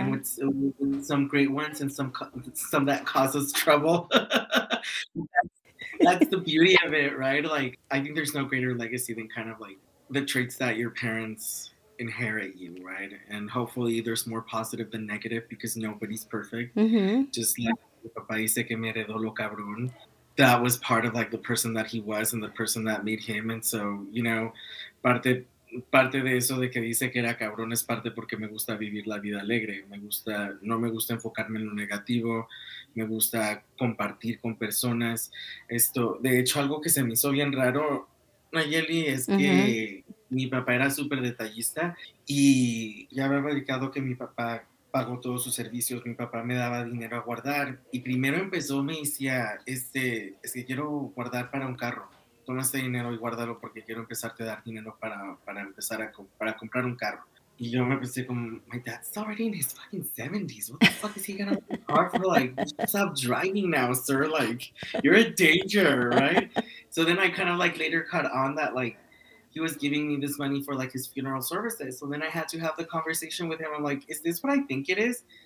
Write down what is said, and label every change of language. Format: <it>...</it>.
<en>And with some great ones and some that causes trouble. That's the beauty of it, right? Like, I think there's no greater legacy than kind of like the traits that your parents inherit you, right? And hopefully there's more positive than negative because nobody's perfect. Just like</en> <es>papá dice que me heredó lo cabrón.</es> <en>That was part of like the person that he was and the person that made him. And so, you know,</en> <es>parte de eso de que dice que era cabrón es parte porque me gusta vivir la vida alegre. No me gusta enfocarme en lo negativo. Me gusta compartir con personas. Esto, de hecho, algo que se me hizo bien raro, Nayeli, es que mi papá era súper detallista y ya había radicado que mi papá pagó todos sus servicios. Mi papá me daba dinero a guardar y primero empezó, me decía, es que quiero guardar para un carro. Toma este dinero y guárdalo porque quiero empezarte a dar dinero para empezar para comprar un carro. Y yo me pensé como,</es> <en>my dad's already in his fucking 70s. What the fuck is he gonna car for? Like, stop driving now, sir. Like, you're a danger, right? So then I kind of like later caught on that like he was giving me this money for like his funeral services. So then I had to have the conversation with him. I'm like, is this what I think it is?</en>